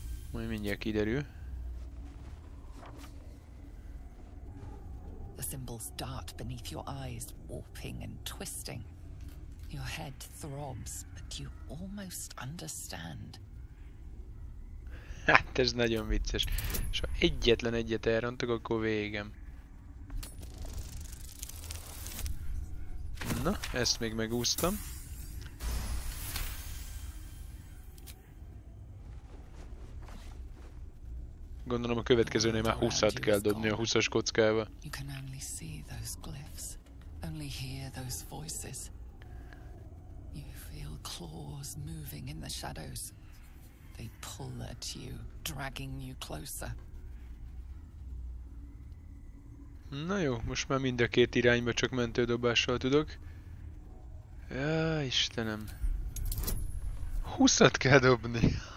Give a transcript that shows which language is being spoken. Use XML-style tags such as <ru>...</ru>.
<hu>Majd mindjárt kiderül.</hu> <en>The symbols dart beneath your eyes, warping and twisting. Your head throbs, but you almost understand.</en> <hu>Hát ez nagyon vicces. És ha egyetlen egyet elrontok, akkor végem. Na, ezt még megúsztam. Gondolom a következőnél már 20-at kell dobni a 20-as kockába.</hu> <en>You can only see those glyphs, only hear those voices. You feel claws moving in the shadows. They pull at you, dragging you closer.</en> <hu>Na jó, most már mind a két irányba csak mentődobással tudok. Ja, Istenem. 20-at kell dobni.</hu>